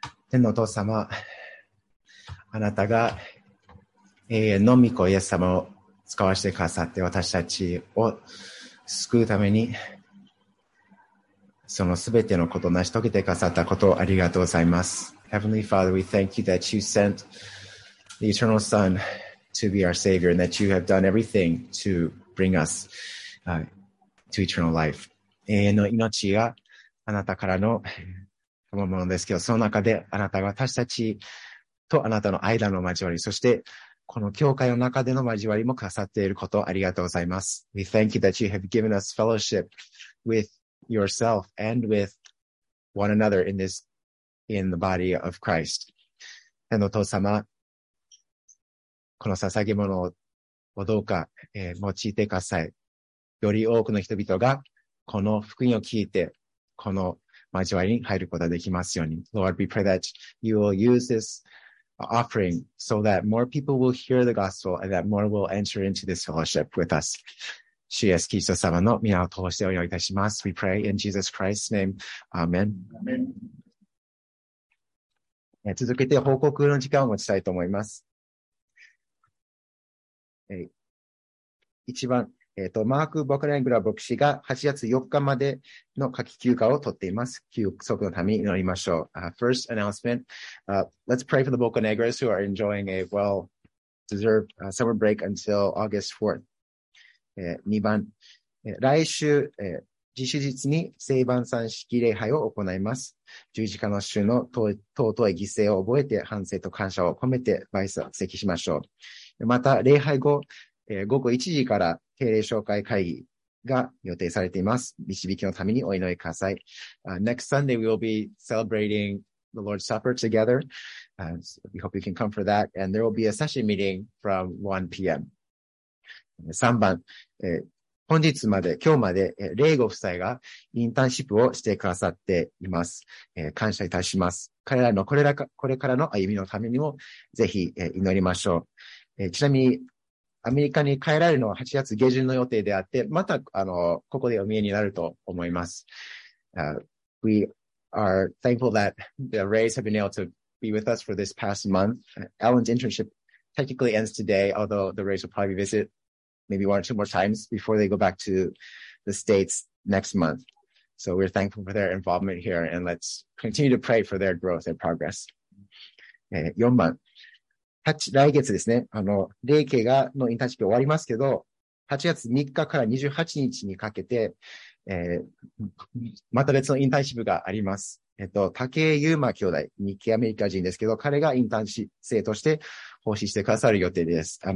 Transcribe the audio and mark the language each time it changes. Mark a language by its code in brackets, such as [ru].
[ja] 天のお父様、あなたが永遠の御子イエス様を使わせてくださって、私たちを救うために、そのすべてのことを成し遂げてくださったことをありがとうございます。 [en] Heavenly Father, we thank you that you sent the eternal Son to be our Savior, and that you have done everything to bring us to eternal life. [ja] 永遠の命があなたからの賜物ですけど、その中であなたが私たちとあなたの間の交わり、そしてこの教会の中での交わりもくださっていることをありがとうございます。 [en] We thank you that you have given us fellowship with yourself and with one another in the body of Christ. [ja] 天のお父様、この捧げ物をどうか、用いてください。より多くの人々がこの福音を聞いてこの交わりに入ることができますように。 [en] Lord, we pray that you will use this offering so that more people will hear the gospel and that more will enter into this fellowship with us. [ja] 主イエスキリスト様の御名を通してお祈りいたします。 [en] We pray in Jesus Christ's name. Amen. Amen. [ja] 続けて報告の時間を持ちたいと思います。一番、マーク・ボクライングラー牧師が8月4日までの夏季休暇を取っています。休息のために祈りましょう。 [en] First announcement. Let's pray for the Bocanegras who are enjoying a well-deserved summer break until August 4th. [ja] 2番、来週、自主日に聖晩餐式礼拝を行います。十字架の主の尊い犠牲を覚えて反省と感謝を込めて挨拶席しましょう。また、礼拝後、午後1時から定例紹介会議が予定されています。導きのためにお祈りください。 [en] Next Sunday, we will be celebrating the Lord's Supper together. So we hope you can come for that. And there will be a session meeting from 1 p.m. [ja] 3番、本日まで、今日まで、レイゴ夫妻がインターンシップをしてくださっています。感謝いたします。彼らのこれからの歩みのためにも、ぜひ、祈りましょう。ちなみに、アメリカに帰られるのは8月下旬の予定であって、また、ここでお見えになると思います。 [en] We are thankful that the Rays have been able to be with us for this past month. Alan's internship technically ends today, although the Rays will probably visit maybe one or two more times before they go back to the States next month. So we're thankful for their involvement here, and let's continue to pray for their growth and progress. [ja] 4番。来月ですね。レイケがのインターンシップ終わりますけど、8月3日から28日にかけて、また別のインターンシップがあります。竹江優馬兄弟、日系アメリカ人ですけど、彼がインターン生として奉仕してくださる予定です。